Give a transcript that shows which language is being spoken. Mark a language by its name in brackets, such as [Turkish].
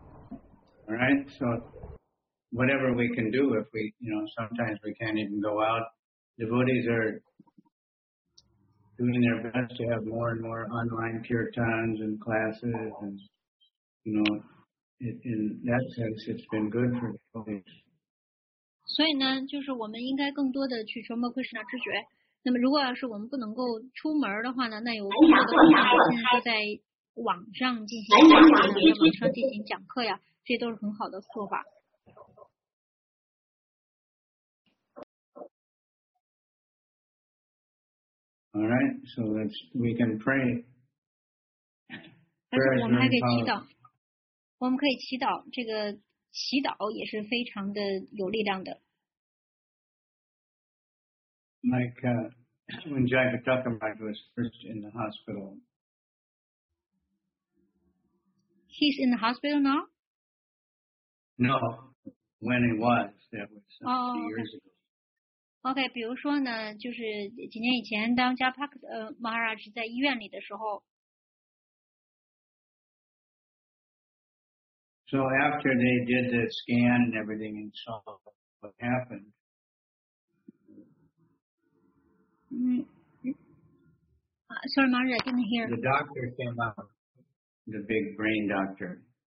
[English] All right, so whatever we can do, if we, you know, sometimes we can't even go out. Devotees are doing their best to have more and more online kirtans and classes, and, you know, in that sense, it's been good for devotees. [Chinese] 所以呢，就是我们应该更多的去传播 Krishna 知觉。那么，如果要是我们不能够出门的话呢，那有更多的同学现在就在网上进行讲课，在网上进行讲课呀。这都是很好的做法。 [English] All right, so we can pray. [Chinese] 但是我们还可以祈祷，我们可以祈祷，这个祈祷也是非常的有力量的。 [English] Like when Jai Vatakamaj was first in the hospital. He's in the hospital now? No, when it was, that was years ago. [Chinese] Okay, 比如说呢，就是几年以前，当加帕克马哈拉什在医院里的时候。 [English] So after they did the scan and everything and saw what happened. 嗯。Sorry, Maharaj, I didn't hear. The doctor came out, the big brain doctor.